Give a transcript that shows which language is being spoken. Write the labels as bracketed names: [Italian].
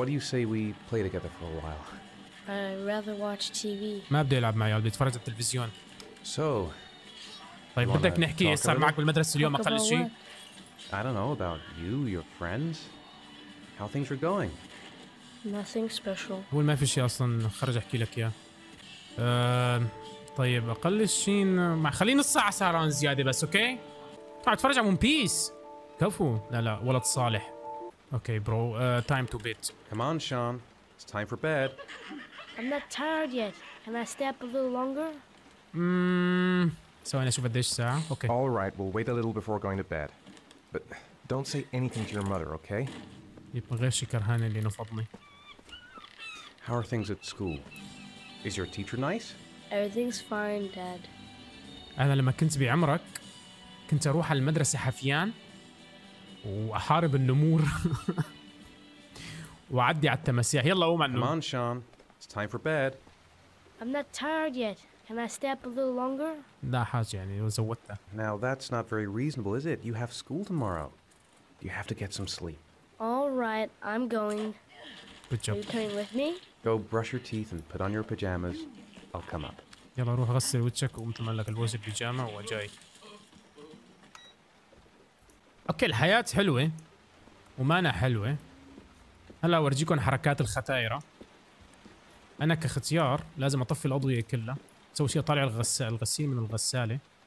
[English] What do you say we play together for a while? I'd rather watch TV. [Arabic] ما بدي يلعب معي، بدي اتفرج على التلفزيون. [English] So. [Arabic] طيب بدك نحكي ايش صار معك بالمدرسة اليوم اقل شيء؟ [English] I don't know about you, your friends. How things are going? Nothing special. [Arabic] هو ما في شيء اصلا خرج احكي لك اياه. طيب اقل شيء مع خلينا الساعة سهران زيادة بس اوكي؟ تعال اتفرج على ون بيس. كفو. لا لا ولد صالح. اوكي برو [English] time to bed. Come on Sean. It's time for bed. I'm not tired yet. Can I stay up a little longer? [Arabic] سوينا شوف قديش ساعة. اوكي. [English] All right, we'll wait a little before going to bed. But don't say anything to your mother, okay? [Arabic] يبقى غير شي كرهان اللي نفضني. [English] How are things at school? Is your teacher nice? Everything's fine, Dad. [Arabic] أنا لما كنت بعمرك كنت أروح على المدرسة حفيان وأحارب النمور وأعدي على التماسيح. يلا قوم على النوم. [English] Come on, Sean. It's time for bed. I'm not tired yet. Can I stay up a little longer? [Arabic] لا حاجة يعني زودتها. [English] Now that's not very reasonable, is it? You have school tomorrow. You have to get some sleep. All right, I'm going. Good job. Are you coming with me? Go brush your teeth and put on your pajamas. I'll come up. [Arabic] يلا روح غسل وجهك ومتملك الوجه بيجامة وجاي. اوكي الحياة حلوة ومانا حلوة. هلا ورجيكم حركات الختائرة. انا كختيار لازم اطفي الاضوية كلها. سوي شيء طالع الغسيل من الغسالة.